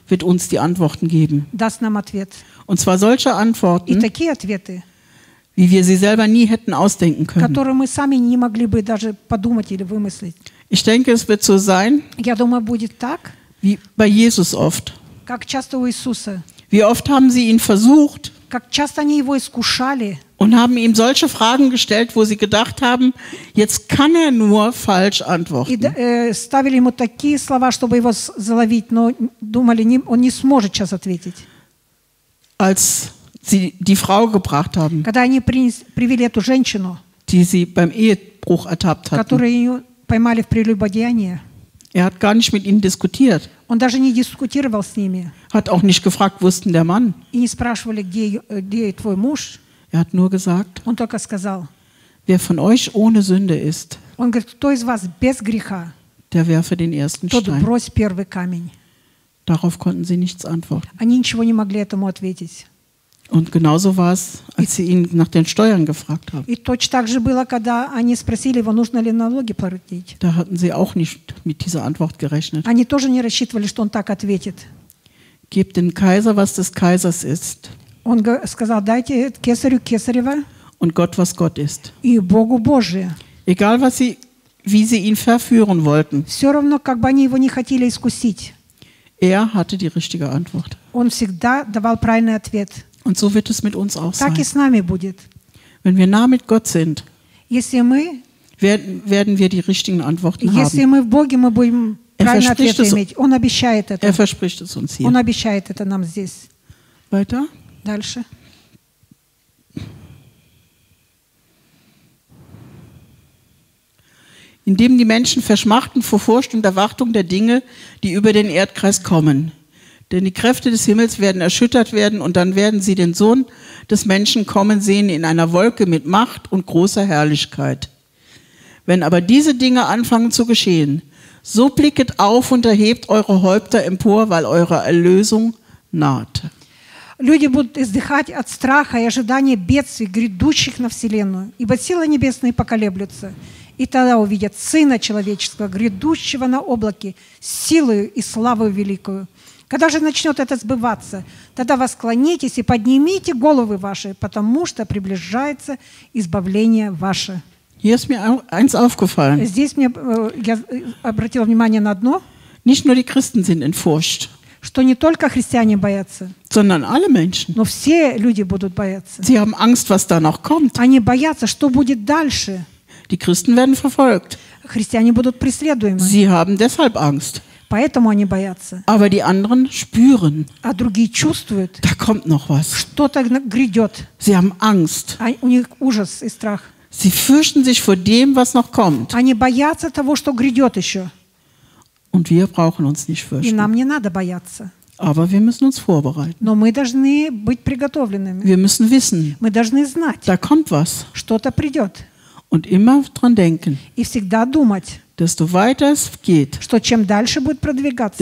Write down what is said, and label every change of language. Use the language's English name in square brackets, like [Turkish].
[German] wird uns die Antworten geben. [Russian] Даст нам ответ. [German] Und zwar solche Antworten, [Russian] и такие ответы, [German] wie wir sie selber nie hätten ausdenken können. [Russian] Которые мы сами не могли бы даже подумать или вымыслить. [German] Ich denke, es wird so sein, [Russian] я думаю, будет так, [German] wie bei Jesus oft. [Russian] Как часто у Иисуса? [German] Wie oft haben sie ihn versucht? [Russian] Как часто они его искушали? [German] Und haben ihm solche Fragen gestellt, wo sie gedacht haben, jetzt kann er nur falsch antworten. [Russian] Ставили ему такие слова, чтобы его заловить, но думали, он не сможет сейчас ответить. [German] Als sie die Frau gebracht haben. [Russian] Когда они привели эту женщину, [German] die sie beim Ehebruch ertappt hatten. [Russian] Которую ее поймали в прелюбодеянии. [German] Er hat gar nicht mit ihnen diskutiert. [Russian] Он даже не дискутировал с ними. [German] Hat auch nicht gefragt, wussten der Mann. [Russian] И не спрашивали, где твой муж. [German] Er hat nur gesagt, [Russian] und только сказал, [German] wer von euch ohne Sünde ist, [Russian] он говорит, кто из вас без греха, [German] der werfe den ersten [Russian] тот [German] Stein. [Russian] Брось первый камень. [German] Darauf konnten sie nichts antworten. [Russian] Они ничего не могли этому ответить. [German] Und genauso war es, als sie ihn nach den Steuern gefragt haben. [Russian] И точно так же было, когда они спросили его, нужно ли налоги платить. [German] Da hatten sie auch nicht mit dieser Antwort gerechnet. [Russian] Они тоже не рассчитывали, что он так ответит. [German] Gebt den Kaiser, was des Kaisers ist. [Russian] Он сказал, дайте кесарю кесарева. [German] Und Gott, was Gott ist. [Russian] И Богу Божие. [German] Egal, was sie, wie sie ihn verführen wollten. [Russian] Все равно, как бы они его не хотели искусить. [German] Er hatte die richtige Antwort. [Russian] Он всегда давал правильный ответ. [German] Und so wird es mit uns auch [Russian] так [German] sein. [Russian] И с нами будет. [German] Wenn wir nah mit Gott sind, [Russian] если мы, [German] werden wir die richtigen Antworten [Russian] если [German] haben. [Russian] Мы в Боге, мы будем правильный ответ иметь. Он обещает это. [German] Er verspricht es uns hier. [Russian] Он обещает это нам здесь. [German] Weiter? [Russian] Дальше. [German] Indem die Menschen verschmachten vor Furcht und Erwartung der Dinge, die über den Erdkreis kommen. Denn die Kräfte des Himmels werden erschüttert werden und dann werden sie den Sohn des Menschen kommen sehen in einer Wolke mit Macht und großer Herrlichkeit. Wenn aber diese Dinge anfangen zu geschehen, so blicket auf und erhebt eure Häupter empor, weil eure Erlösung naht. [Russian] Люди будут издыхать от страха и ожидания бедствий, грядущих на вселенную, ибо силы небесные поколеблются, и тогда увидят Сына Человеческого, грядущего на облаке, силою и славою великою. Когда же начнет это сбываться, тогда восклонитесь и поднимите головы ваши, потому что приближается избавление ваше. Здесь мне я обратила внимание на одно. [German] Nicht nur die Christen sind in Furcht. [Russian] Что не только христиане боятся, [German] sondern alle Menschen. [Russian] Но все люди будут бояться. [German] Sie haben Angst, was da noch kommt. [Russian] Они боятся, что будет дальше. [German] Die Christen werden verfolgt. [Russian] Христиане будут преследуемы. [German] Sie haben deshalb Angst. [Russian] Поэтому они боятся. [German] Aber die anderen spüren. [Russian] А другие чувствуют. [German] Da kommt noch was. [Russian] Что-то грядет. [German] Sie haben Angst. [Russian] У них ужас и страх. [German] Sie fürchten sich vor dem, was noch kommt. [Russian] Они боятся того, что грядет еще. [German] Und wir brauchen uns nicht fürchten. [Russian] И нам не надо бояться. [German] Aber wir müssen uns vorbereiten. [Russian] Но мы должны быть приготовленными. [German] Wir müssen wissen. [Russian] Мы должны знать. [German] Da kommt was. [Russian] Что-то придет. [German] Und immer dran denken. [Russian] И всегда думать. [German] Desto weiter es geht, [Russian] что чем дальше будет продвигаться,